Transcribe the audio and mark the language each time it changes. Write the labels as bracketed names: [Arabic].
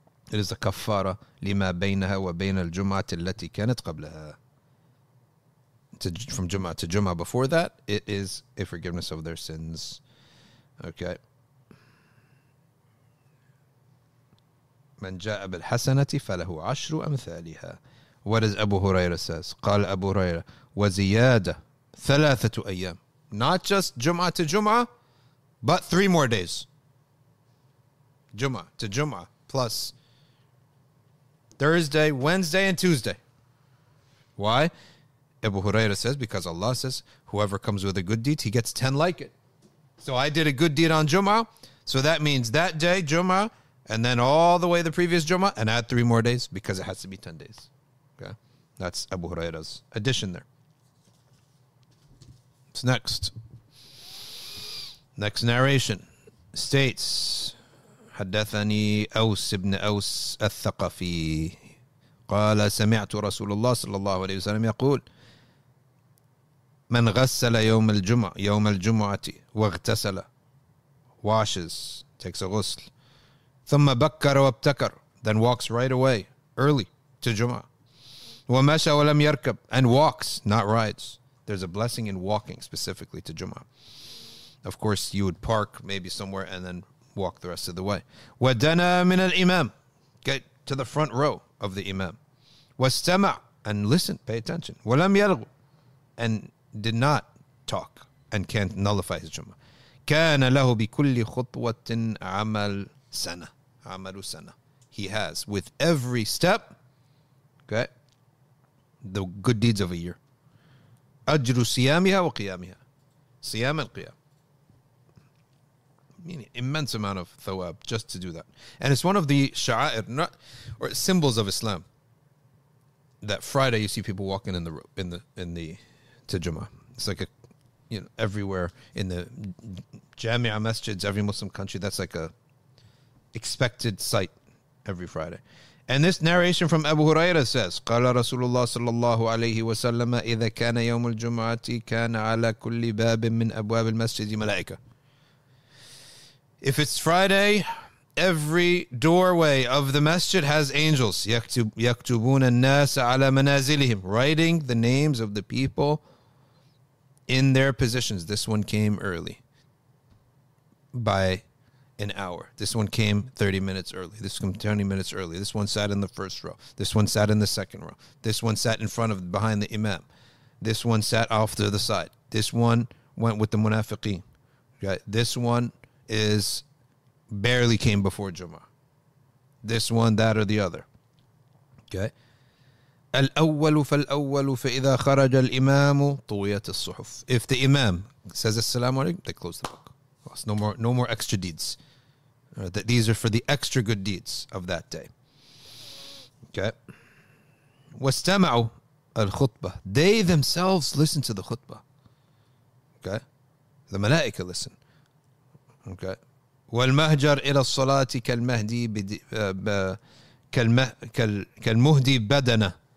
[English] It is a kafara [Arabic] لِمَا بَيْنَهَا وَبَيْنَ الْجُمْعَةِ الَّتِي كَانَتْ قَبْلَهَا. [English] From Jum'ah to Jum'ah before that, it is a forgiveness of their sins. Okay. [Arabic] من جاء بالحسنة فله عشر أمثالها. [English] What does Abu Huraira says? [Arabic] قال Abu Huraira وزيادة ثلاثة أيام. [English] Not just Jum'ah to Jum'ah, but three more days. Jum'ah to Jum'ah plus Thursday, Wednesday, and Tuesday. Why? Abu Huraira says, because Allah says, whoever comes with a good deed, he gets 10 like it. So I did a good deed on Jum'ah. So that means that day, Jum'ah, and then all the way the previous Jum'ah, and add three more days, because it has to be 10 days. Okay, that's Abu Huraira's addition there. What's next? Next narration states, [Arabic] حدثني أوس بن أوس الثقفي قال سمعت رسول الله صلى الله عليه وسلم يقول من غسل يوم الجمعة يوم الجمعة واغتسل [English] washes takes a ghusl [Arabic] ثم بكر وابتكر [English] then walks right away early to [Arabic] جمعة ومشى ولم يركب [English] and walks not rides. There's a blessing in walking specifically to جمعة. Of course you would park maybe somewhere and then walk the rest of the way. [Arabic] ودنا من الإمام, [English] get to the front row of the imam. [Arabic] واستمع [English] and listen, pay attention. [Arabic] ولم يلغ [English] and did not talk and can't nullify his Jum'ah. [Arabic] كان له بكل خطوة عمل سنة. عمل سنة. [English] He has with every step, okay, the good deeds of a year. [Arabic] أجر صيامها وقيامها. صيام القيام. [English] Meaning immense amount of thawab just to do that. And it's one of the شعائر, not, or symbols of Islam. That Friday you see people walking in the to Jum'ah. It's like a, you know, everywhere in the Jami'ah masjids, every Muslim country, that's like a expected sight every Friday. And this narration from Abu Huraira says, [Arabic] قَالَ رَسُولُ اللَّهِ صَلَّى اللَّهُ عَلَيْهِ وَسَلَّمَ إِذَا كَانَ يَوْمُ الْجُمْعَةِ كَانَ عَلَى كُلِّ بَابٍ مِّنْ أَبْوَابِ الْمَسْجِدِ مَلَائِكَةٌ. [English] If it's Friday, every doorway of the masjid has angels. [Arabic] يَكْتُبُونَ النَّاسَ عَلَى مَنَازِلِهِمْ. [English] Writing the names of the people in their positions. This one came early by an hour. This one came 30 minutes early. This came 20 minutes early. This one sat in the first row. This one sat in the second row. This one sat in front of, behind the imam. This one sat off to the side. This one went with the munafiqeen. Okay? This one is barely came before Jum'ah. This one, that, or the other. Okay? [Arabic] الأول فالأول فإذا خرج الإمام طويت الصحف. [English] If the imam says assalamu alaikum, they close the book. No more extra deeds. These are for the extra good deeds of that day. [Arabic] Okay. واستمعوا الخطبة. [English] They themselves listen to the khutbah. Okay. The malaika listen. Okay. [Arabic] والمهجر إلى الصلاة كالمهدي كالمهدي بدنا.